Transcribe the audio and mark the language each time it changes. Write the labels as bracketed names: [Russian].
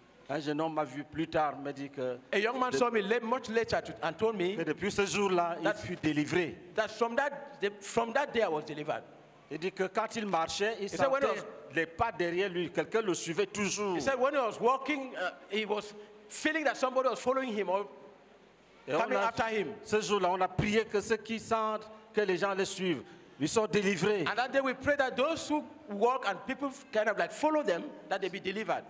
[French] Un jeune homme m'a vu plus tard, m'a dit que. [English] A young man saw me late, much later and told me. [French] Que depuis ce jour-là, il fut délivré. [English] That from that day I was delivered. [French] Il dit que quand il marchait, il sentait les pas derrière lui. Quelqu'un le suivait toujours. [English] He said when he was walking, he was feeling that somebody was following him or coming after him. [French] Ce jour-là, on a prié que ceux qui sentent que les gens les suivent, ils sont délivrés. [English] And that day we pray that those who walk and people kind of like follow them, that they be delivered.